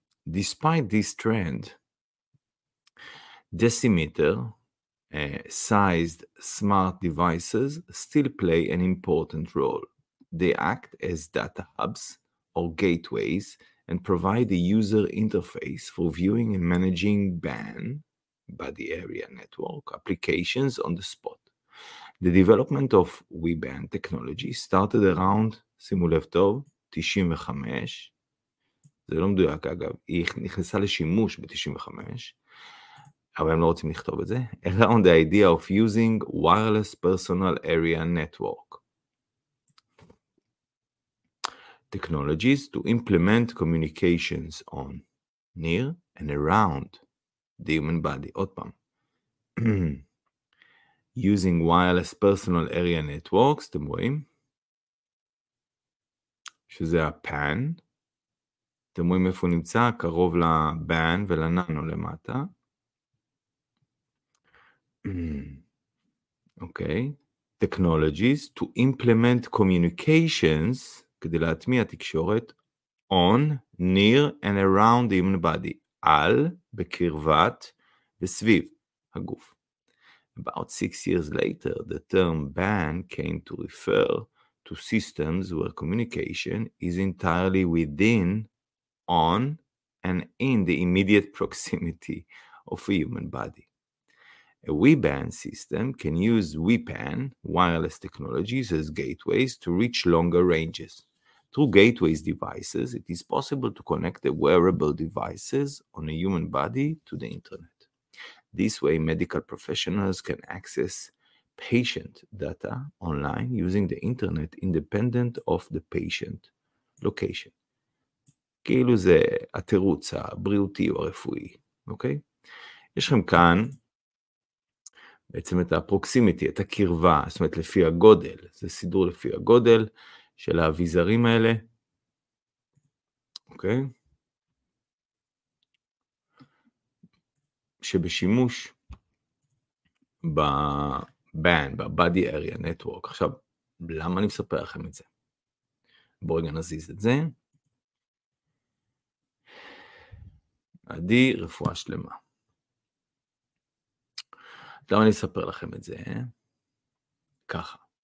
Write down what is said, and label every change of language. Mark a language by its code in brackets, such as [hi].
[en] Despite this trend, decimeter-sized smart devices still play an important role. They act as data hubs or gateways and provide a user interface for viewing and managing BAN, body area network, applications on the spot. The development of WeBAN technology started around, [he] שימו לב טוב, 95, זה לא מדויק אגב, היא נכנסה לשימוש ב-95, אבל הם לא רוצים לכתוב את זה, [en] around the idea of using wireless personal area network. Technologies to implement communications on, near and around the human body, [he] עוד פעם. [en] Using wireless personal area networks, [he] אתם רואים? שזה ה-PAN. אתם רואים איפה הוא נמצא? קרוב ל-BAN ול-NANO למטה. אוקיי. [en] Technologies to implement communications, [he] כדי להטמיע תקשורת, [en] on, near and around the human body, [he] על, בקרבת וסביב הגוף. [en] About 6 years later, the term BAN came to refer to systems where communication is entirely within, on, and in the immediate proximity of a human body. A WeBAN system can use WePAN wireless technologies as gateways to reach longer ranges. Through gateways devices, it is possible to connect the wearable devices on a human body to the internet. This way, medical professionals can access patient data online using the internet independent of the patient location. [he] כאילו זה התירוץ הבריאותי או הרפואי, אוקיי? יש לכם כאן בעצם את הפרוקסימיטי, את הקרבה, זאת אומרת לפי הגודל, זה סידור לפי הגודל של האביזרים האלה, אוקיי? שבשימוש ב-BAN, ב-Body Area Network. עכשיו, למה אני מספר לכם את זה? בואו רגע נזיז את זה. עדי, רפואה שלמה. למה אני אספר לכם את זה? ככה.